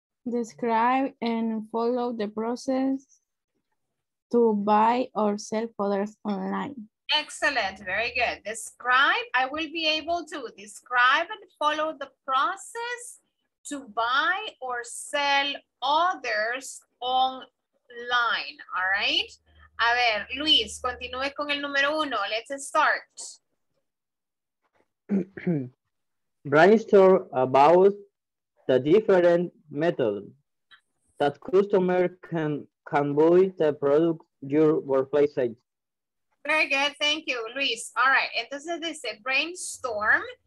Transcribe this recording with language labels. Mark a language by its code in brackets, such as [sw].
[en] Describe and follow the process to buy or sell products online. Excellent, very good. Describe, I will be able to. Describe and follow the process to buy or sell others online, all right? [es] A ver, Luis, continúe con el número uno. [en] Let's start. Brainstorm about the different methods that customer can buy the product your workplace site. Very good, thank you, Luis. All right, entonces dice brainstorm.